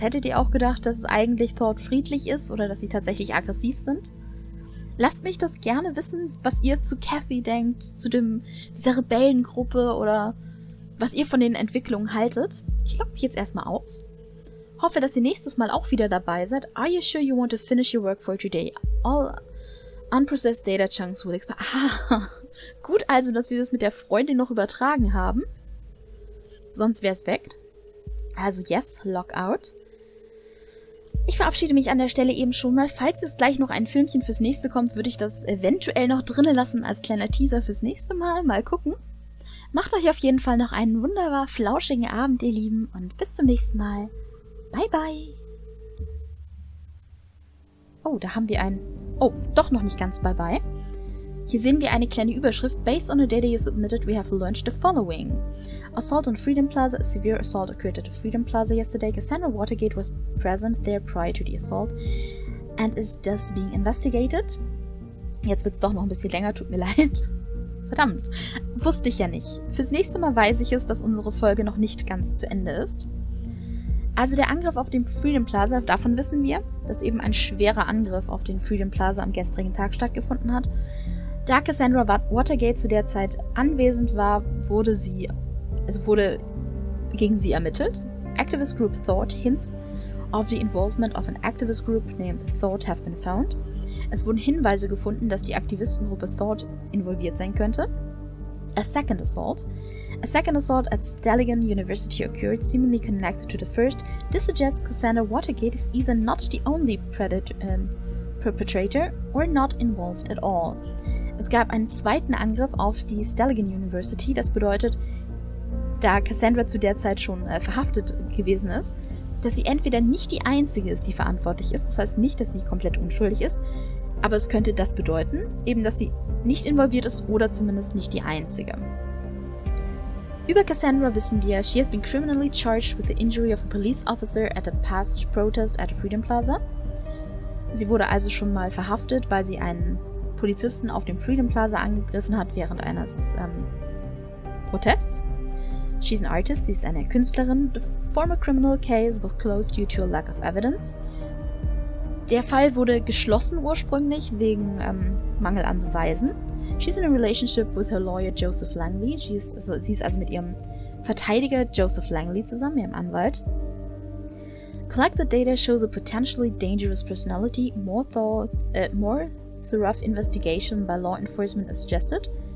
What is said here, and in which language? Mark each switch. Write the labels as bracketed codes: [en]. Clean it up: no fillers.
[de] Hättet ihr auch gedacht, dass es eigentlich Thought friedlich ist oder dass sie tatsächlich aggressiv sind? Lasst mich das gerne wissen, was ihr zu Cathy denkt, zu dieser Rebellengruppe oder was ihr von den Entwicklungen haltet. Ich logge mich jetzt erstmal aus. Hoffe, dass ihr nächstes Mal auch wieder dabei seid. [en] Are you sure you want to finish your work for today? All unprocessed data chunks will expire. [de] Ah, gut also, dass wir das mit der Freundin noch übertragen haben. Sonst wäre es weg. Also [en] yes, log out. [de] Ich verabschiede mich an der Stelle eben schon mal. Falls jetzt gleich noch ein Filmchen fürs nächste kommt, würde ich das eventuell noch drinnen lassen als kleiner Teaser fürs nächste Mal. Mal gucken. Macht euch auf jeden Fall noch einen wunderbar flauschigen Abend, ihr Lieben. Und bis zum nächsten Mal. Bye bye. Oh, da haben wir ein... Oh, doch noch nicht ganz bye bye. Hier sehen wir eine kleine Überschrift. [en] Based on the data you submitted, we have launched the following. Assault on Freedom Plaza. A severe assault occurred at the Freedom Plaza yesterday. Cassandra Watergate was present there prior to the assault. And is thus being investigated. [de] Jetzt wird's doch noch ein bisschen länger, tut mir leid. Verdammt, wusste ich ja nicht. Fürs nächste Mal weiß ich es, dass unsere Folge noch nicht ganz zu Ende ist. Also der Angriff auf den Freedom Plaza, davon wissen wir, dass eben ein schwerer Angriff auf den Freedom Plaza am gestrigen Tag stattgefunden hat. Da Cassandra Watergate zu der Zeit anwesend war, wurde gegen sie ermittelt. [en] Activist Group Thought hints of the involvement of an activist group named Thought have been found. [de] Es wurden Hinweise gefunden, dass die Aktivistengruppe Thought involviert sein könnte. [en] A second assault at Stellingen University occurred, seemingly connected to the first. This suggests Cassandra Watergate is either not the only perpetrator or not involved at all. [de] Es gab einen zweiten Angriff auf die Stellingen University. Das bedeutet, da Cassandra zu der Zeit schon verhaftet gewesen ist, dass sie entweder nicht die Einzige ist, die verantwortlich ist. Das heißt nicht, dass sie komplett unschuldig ist. Aber es könnte das bedeuten, eben dass sie nicht involviert ist oder zumindest nicht die Einzige. Über Cassandra wissen wir, [en] she has been criminally charged with the injury of a police officer at a past protest at the Freedom Plaza. [de] Sie wurde also schon mal verhaftet, weil sie einen Polizisten auf dem Freedom Plaza angegriffen hat während eines Protests. [en] She's an artist, [de] sie ist eine Künstlerin. [en] The former criminal case was closed due to a lack of evidence. [de] Der Fall wurde geschlossen ursprünglich wegen Mangel an Beweisen. [en] She's in a relationship with her lawyer Joseph Langley. [de] Sie ist also mit ihrem Verteidiger Joseph Langley zusammen, ihrem Anwalt. [en] Collected data shows a potentially dangerous personality. More thorough investigation by law enforcement is suggested.